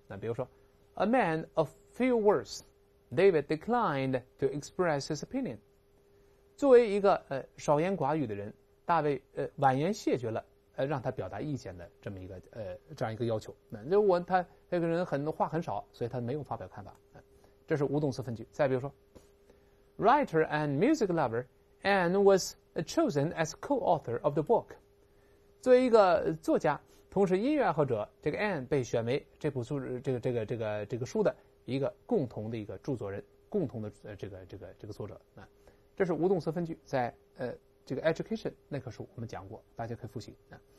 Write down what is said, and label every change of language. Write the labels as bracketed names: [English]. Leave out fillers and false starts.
[Chinese] 那比如说 [English] ，A man of few words, David declined to express his opinion。 [Chinese] 作为一个少言寡语的人，大卫婉言谢绝了让他表达意见的这么一个这样一个要求。那就我他这个人很话很少，所以他没有发表看法。这是无动词分句。再比如说 ， [English] Writer and music lover。 And was chosen as co-author of the book. [Chinese] 作为一个作家，同时音乐爱好者，这个 Anne 被选为这部书这个书的一个共同的一个著作人，共同的这个作者啊。这是无动词分句，在这个 Education 那课书我们讲过，大家可以复习啊。